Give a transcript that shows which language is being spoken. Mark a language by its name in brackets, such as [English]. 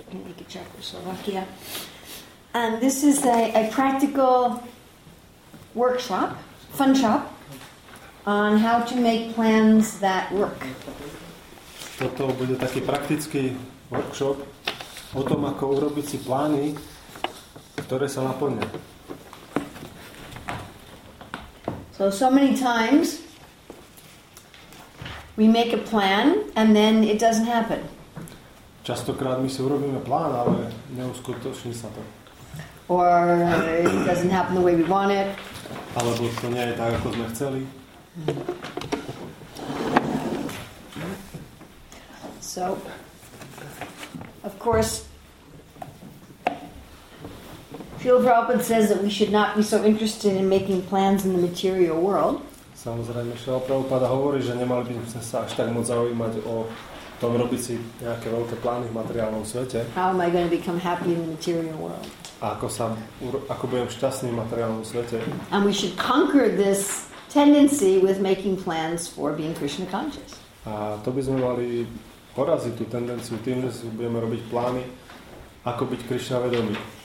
[English] Can't make a check, we're so lucky. This is a practical workshop, fun shop, on how to make plans that work. [Slovak] Toto bude taký praktický workshop o tom, ako urobiť si plány, ktoré sa naplnia. [English] So many times we make a plan and then it doesn't happen. [Slovak] Častokrát my si urobíme plán, ale neuskutoční sa to. [English] Or it doesn't happen the way we want it. [Slovak] Alebo to nie je tak, ako sme chceli. [English] So, of course, Srila Prabhupada says that we should not be so interested in making plans in the material world. [Slovak] Samozrejme, Srila Prabhupada hovorí, že nemali by sme sa až tak moc zaujímať o tom robiť si nejaké veľké plány v materiálnom svete. [English] How am I going to become happy in the material world? [Slovak] Ako budem šťastný v materiálnom svete? [English] And we should conquer this tendency with making plans for being Krishna conscious. [Slovak] A to by sme mali poraziť tú tendenciu tým, že si budeme robiť plány, ako byť Krishna vedomý.